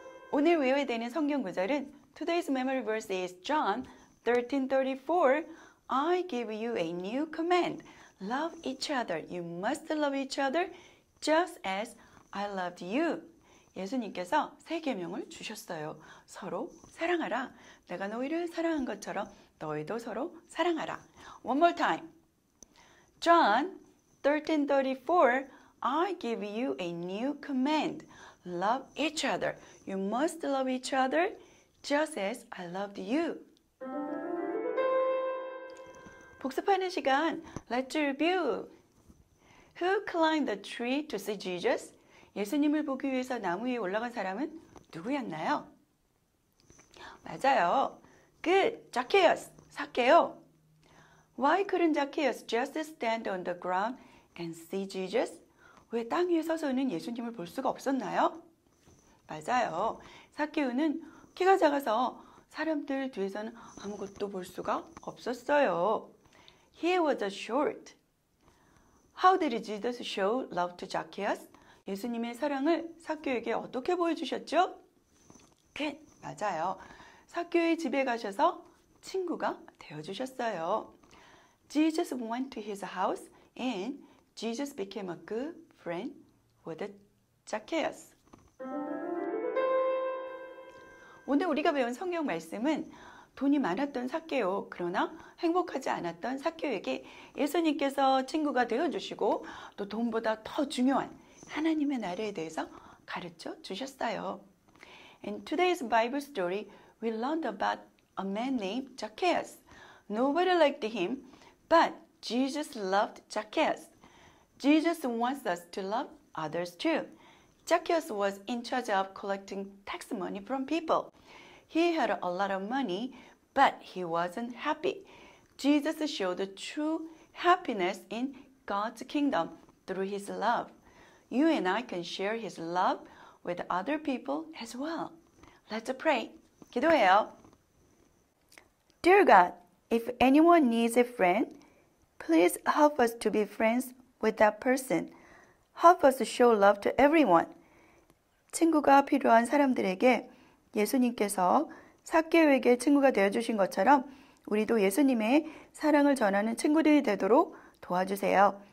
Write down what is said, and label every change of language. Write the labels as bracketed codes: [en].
[ko] 오늘 외워야되는 성경 구절은 [en] Today's memory verse is John 13:34. I give you a new command. Love each other. You must love each other just as I loved you. [ko] 예수님께서 새 계명을 주셨어요. 서로 사랑하라. 내가 너희를 사랑한 것처럼 너희도 서로 사랑하라. [en] One more time. John 13:34. I give you a new command. Love each other. You must love each other just as I loved you. [ko] 복습하는 시간, [en] let's review. Who climbed the tree to see Jesus? [ko] 예수님을 보기 위해서 나무 위에 올라간 사람은 누구였나요? 맞아요. [en] Good, [ko] Zacchaeus, 사케오. [en] Why couldn't Zacchaeus just stand on the ground and see Jesus? [ko] 왜 땅 위에 서서는 예수님을 볼 수가 없었나요? 맞아요. 사케오는 키가 작아서 사람들 뒤에서는 아무것도 볼 수가 없었어요. [en] He was short. How did Jesus show love to Zacchaeus? [ko] 예수님의 사랑을 사케오에게 어떻게 보여주셨죠? [en] Good. [ko] 맞아요. 사케오의 집에 가셔서 친구가 되어주셨어요. [en] Jesus went to his house and Jesus became a good friend with Zacchaeus. [ko] 오늘 우리가 배운 성경 말씀은 돈이 많았던 사케오, 그러나 행복하지 않았던 사케오에게 예수님께서 친구가 되어주시고 또 돈보다 더 중요한 하나님의 나라에 대해서 가르쳐 주셨어요. [en] In today's Bible story, we learned about a man named Zacchaeus. Nobody liked him, but Jesus loved Zacchaeus. Jesus wants us to love others too. Zacchaeus was in charge of collecting tax money from people. He had a lot of money, but he wasn't happy. Jesus showed the true happiness in God's kingdom through his love. You and I can share his love with other people as well. Let's pray. [ko] 기도해요. [en] Dear God, if anyone needs a friend, please help us to be friends with that person. Help us to show love to everyone. [ko] 친구가 필요한 사람들에게 예수님께서 사케오에게 친구가 되어주신 것처럼 우리도 예수님의 사랑을 전하는 친구들이 되도록 도와주세요.